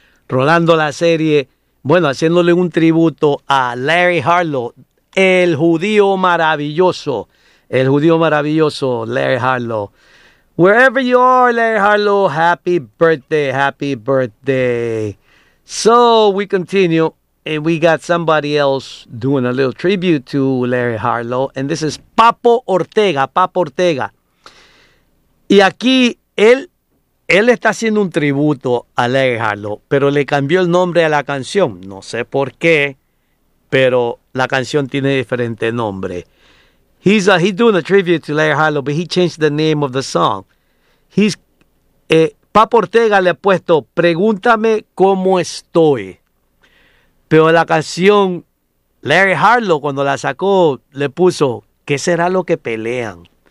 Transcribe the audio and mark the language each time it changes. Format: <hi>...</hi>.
<es>Rolando la Serie, bueno, haciéndole un tributo a Larry Harlow, el judío maravilloso. El judío maravilloso, Larry Harlow.</es> <en>Wherever you are, Larry Harlow, happy birthday, happy birthday. So we continue, and we got somebody else doing a little tribute to Larry Harlow, and this is Papo Ortega, Papo Ortega.</en> <es>Y aquí él está haciendo un tributo a Larry Harlow, pero le cambió el nombre a la canción. No sé por qué, pero la canción tiene diferente nombre.</es> <en>He's doing a tribute to Larry Harlow, but he changed the name of the song.</en> <es>Papo Ortega le ha puesto Pregúntame Cómo Estoy. Pero la canción, Larry Harlow, cuando la sacó, le puso ¿Qué será lo que pelean?</es>